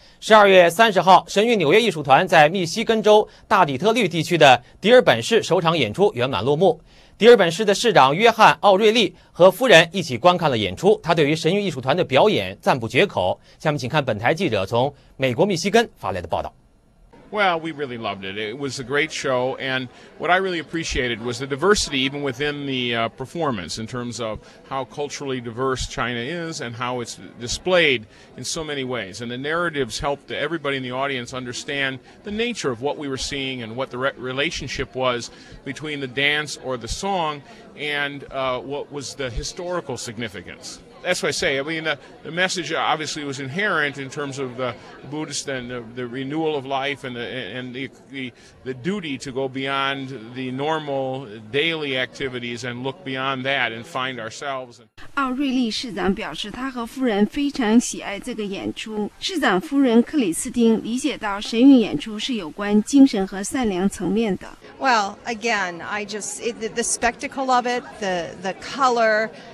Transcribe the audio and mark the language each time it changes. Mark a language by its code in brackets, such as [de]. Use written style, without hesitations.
[zh] 12月30号，神韵纽约艺术团在密西根州大底特律地区的迪尔本市首场演出圆满落幕。迪尔本市的市长约翰·奥瑞利和夫人一起观看了演出，他对于神韵艺术团的表演赞不绝口。下面请看本台记者从美国密西根发来的报道。 [en] Well, we really loved it. It was a great show, and what I really appreciated was the diversity even within the performance in terms of how culturally diverse China is and how it's displayed in so many ways. And the narratives helped everybody in the audience understand the nature of what we were seeing and what the relationship was between the dance or the song and what was the historical significance. that's what I say. I mean, the message obviously was inherent in terms of the Buddhist and the renewal of life and the duty to go beyond the normal daily activities and look beyond that and find ourselves. [zh] 奥瑞利市长表示，他和夫人非常喜爱这个演出。市长夫人克里斯汀理解到，神韵演出是有关精神和善良层面的。 [en] Well, again, I just the spectacle of it, the color.